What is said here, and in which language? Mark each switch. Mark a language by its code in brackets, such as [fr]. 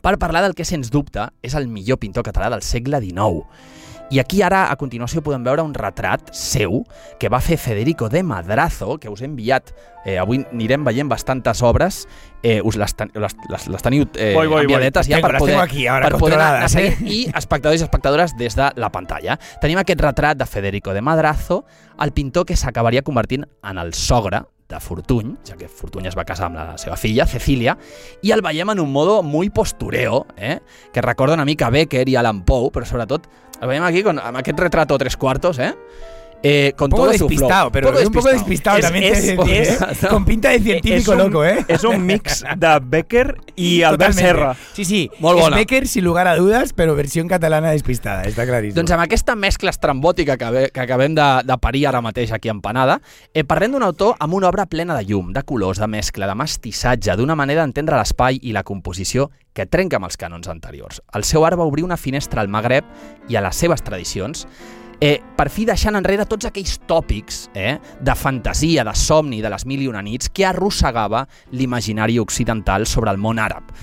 [ca] per parlar del que, sens dubte, és el millor pintor català del segle XIX. I aquí ara, a continuació, podem veure un retrat seu que va fer Federico de Madrazo, que us he enviat. Avui anirem veient bastantes obres. Les teniu enviadetes ja per poder, aquí, ara, per poder anar fent, i espectadors i espectadores des de la pantalla. Tenim aquest retrat de Federico de Madrazo, el pintor que s'acabaria convertint en el sogre de Fortuny, ja que Fortuny es va casar amb la seva filla, Cecília, i el veiem [es] en un modo muy postureo, [ca] que recorda una mica Becker i Alan Poe, però sobretot el veiem aquí amb aquest [es] retrato [ca] tres quartos, [es] con un poco todo despistado, su pero poco despistado. Un poco despistado también. Con pinta de científico loco, ¿eh? Es un mix de Becker y Albert Serra. Sí, sí. [ca] Molt bona. [es] Es Becker, sin lugar a dudas, pero versión catalana despistada, está clarísimo. [ca] Doncs amb aquesta mescla estrambòtica que acabem de parir ara mateix aquí a Empanada, parlem d'un autor amb una obra plena de llum, de colors, de mescla, de mestissatge, d'una manera d'entendre l'espai i la composició que trenca amb els cànons anteriors. El seu art va obrir una finestra al Magreb i a les seves tradicions, per fi deixant enrere tots aquells tòpics de fantasia, de somni, de les mil i una nits que arrossegava l'imaginari occidental sobre el món àrab.